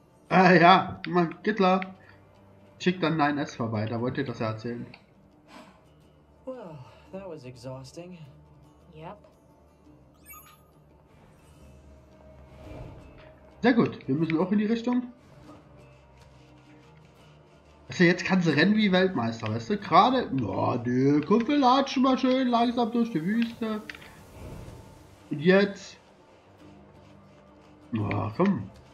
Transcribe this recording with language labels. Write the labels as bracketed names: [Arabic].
[German] ja, man, Gittler schickt dann 9S vorbei, da wollt ihr das ja erzählen. [English] Well, that was exhausting. Yep. [German] Sehr gut, wir müssen auch in die Richtung. Also jetzt kann sie rennen wie Weltmeister, weißt du? Gerade. Oh, die Kumpel latschen mal schön langsam durch die Wüste. Und jetzt. Oh, komm.